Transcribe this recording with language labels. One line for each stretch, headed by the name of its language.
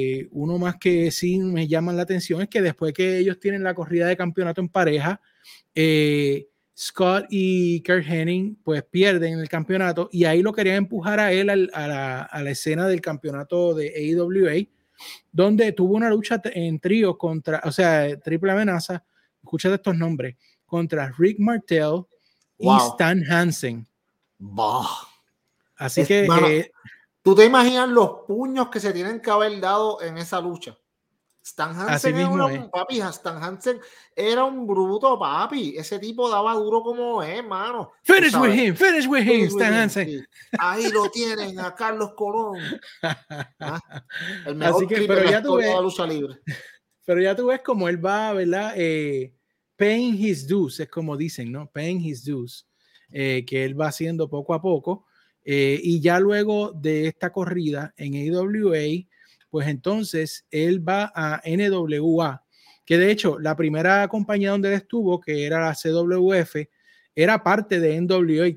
Spanish: Uno más que sí me llama la atención es que después que ellos tienen la corrida de campeonato en pareja, Scott y Kurt Hennig pues pierden el campeonato y ahí lo querían empujar a él a la escena del campeonato de AWA, donde tuvo una lucha en trío contra, o sea, triple amenaza, escúchate estos nombres, contra Rick Martel y Stan Hansen. Bah. Así es, que mano, ¿tú te imaginas los puños que se tienen que haber dado en esa lucha? Stan Hansen era Stan Hansen era un bruto, papi. Ese tipo daba duro como es, mano.
English: Finish with him, Stan Hansen.
Spanish: Sí. Ahí lo tienen, a Carlos Colón. El mejor. Así que, pero ya tú ves, lucha libre. Pero ya tú ves cómo él va, ¿verdad?
English: Paying his dues,
Spanish: es como dicen, ¿no?
English: Paying his dues,
Spanish: que él va haciendo poco a poco. Y ya luego de esta corrida en AWA, pues entonces él va a NWA, que de hecho la primera compañía donde él estuvo, que era la CWF, era parte de NWA.